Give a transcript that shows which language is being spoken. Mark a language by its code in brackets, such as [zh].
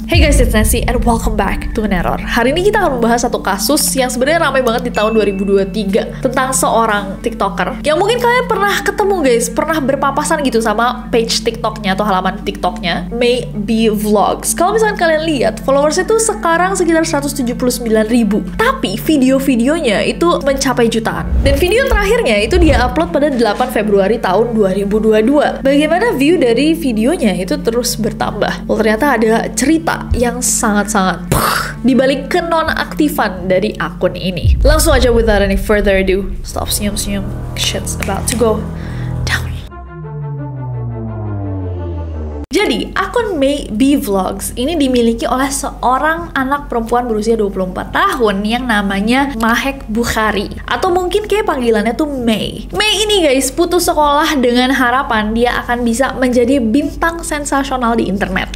[en] Hey guys, it's Nancy and welcome back to an error. [id] Hari ini kita akan membahas satu kasus yang sebenarnya ramai banget di tahun 2023 tentang seorang TikToker yang mungkin kalian pernah ketemu guys, pernah berpapasan gitu sama page TikToknya atau halaman TikToknya, Maybe Vlogs. Kalau misalkan kalian lihat, followersnya tuh sekarang sekitar 179.000, tapi video-videonya itu mencapai jutaan. Dan video terakhirnya itu dia upload pada 8 Februari tahun 2022. Bagaimana view dari videonya itu terus bertambah? Well, ternyata ada cerita yang sangat-sangat dibalik kenonaktifan dari akun ini. Langsung aja, [en] without any further ado, stop [id] senyum-senyum, [en] shit's about to go down. [id] Jadi, akun Maybe Vlogs ini dimiliki oleh seorang anak perempuan berusia 24 tahun yang namanya Mahek Bukhari. Atau mungkin kayak panggilannya tuh May. May ini guys, putus sekolah dengan harapan dia akan bisa menjadi bintang sensasional di internet.